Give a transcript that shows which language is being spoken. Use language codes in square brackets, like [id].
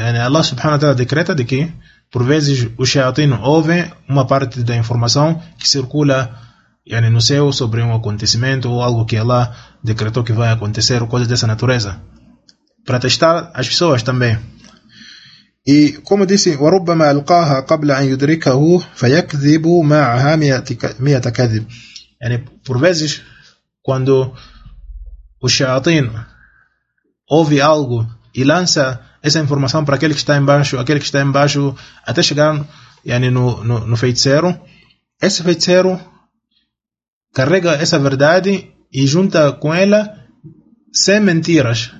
[pt] Yani, Allah subhanahu wa ta'ala decreta de que, por vezes, o shayatin ouve uma parte da informação que circula yani, no céu sobre um acontecimento ou algo que Allah decretou que vai acontecer, ou coisa dessa natureza, para testar as pessoas também. E como disse, [ar] وربما القاها قبل أن يدركه فيكذب معها مئة كذب. [pt] Yani, por vezes, quando o shayatin ouve algo e lança essa informação para aquele que está embaixo, até chegar yani, no feiticeiro, esse feiticeiro carrega essa verdade e junta com ela 100 mentiras.